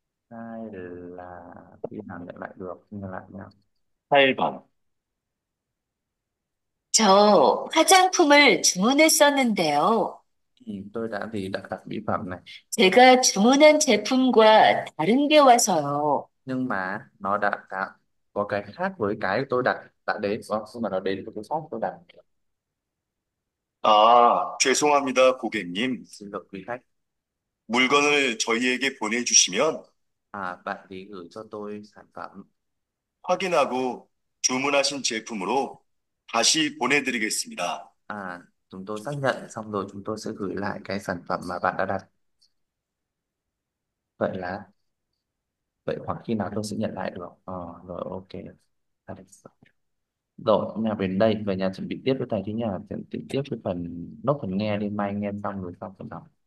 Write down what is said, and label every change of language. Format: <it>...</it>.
<vi>2 là khi nào nhận lại được, nhận lại nhau.</vi> <ko>8번. 저 화장품을 주문했었는데요.</ko> <vi>Tôi đã thì đặt đặt mỹ phẩm này,</vi> <ko>제가 주문한 제품과 다른 게 와서요.</ko> <vi>nhưng mà nó đã có cái khác với cái tôi đặt đã đến, nhưng mà nó đến với cái shop tôi đặt.</vi> <ko>À, 죄송합니다, 고객님.</ko> <vi>Xin lỗi quý khách.</vi> <ko>물건을 저희에게 보내주시면</ko> <vi>À, bạn thì gửi cho tôi sản phẩm.</vi> <ko>확인하고 주문하신 제품으로 다시 보내드리겠습니다.</ko> <vi>À, chúng tôi xác nhận xong rồi chúng tôi sẽ gửi lại cái sản phẩm mà bạn đã đặt. Vậy khoảng khi nào tôi sẽ nhận lại được? Rồi ok. Rồi, nhà bên đây về nhà chuẩn bị tiếp với thầy thế nhà, chuẩn bị tiếp với phần nốt phần nghe đi, mai nghe xong rồi xong phần đọc.</vi>